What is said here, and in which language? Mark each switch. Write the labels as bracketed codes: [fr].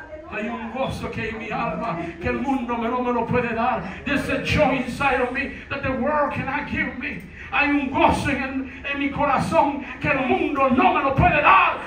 [es] Hay un gozo que mi alma, que el mundo me lo puede dar. [en] There's a joy inside of me that the world cannot give me. [es] Hay un gozo en mi corazón que el mundo no me lo puede dar.